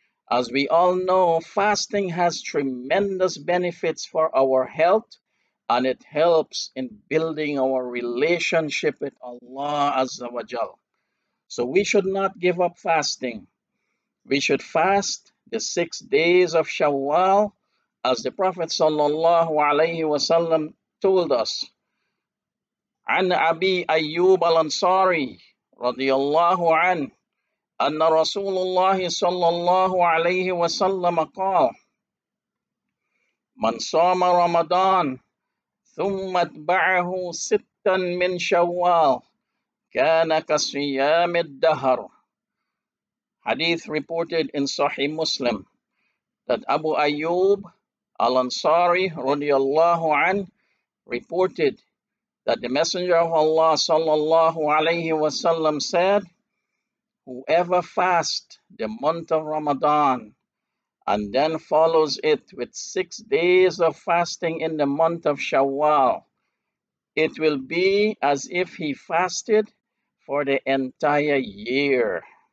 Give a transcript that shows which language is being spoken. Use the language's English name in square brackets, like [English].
[English] As we all know, fasting has tremendous benefits for our health, and it helps in building our relationship with Allah Azza wa Jal. So we should not give up fasting. We should fast the 6 days of Shawwal, as the Prophet sallallahu alayhi wa sallam told us. [Arabic] An Abi Ayyub al-Ansari radiyallahu an, أن رسول الله صلى الله عليه وسلم قال من صام رمضان ثم اتبعه ستا من شوال كان كصيام الدهر. [English] Hadith reported in Sahih Muslim that Abu Ayyub al-Ansari [Arabic] رضي الله عنه [English] reported that the Messenger of Allah [Arabic] صلى الله عليه وسلم [English] said, whoever fasts the month of Ramadan and then follows it with 6 days of fasting in the month of Shawwal, it will be as if he fasted for the entire year.